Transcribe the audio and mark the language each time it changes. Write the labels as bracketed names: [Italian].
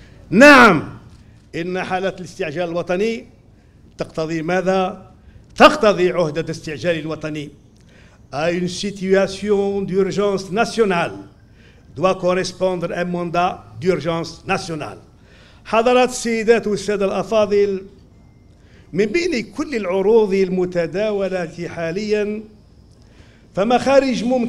[Arabic] نعم، إن حالة الاستعجال الوطني تقتضي ماذا؟ تقتضي عهدة استعجال الوطني. [French] une situation d'urgence nationale doit correspondre un mandat d'urgence nationale. [Arabic] حضرات السيدات والسادة الأفاضل، من بين كل العروض المتداولة حاليا كمخارج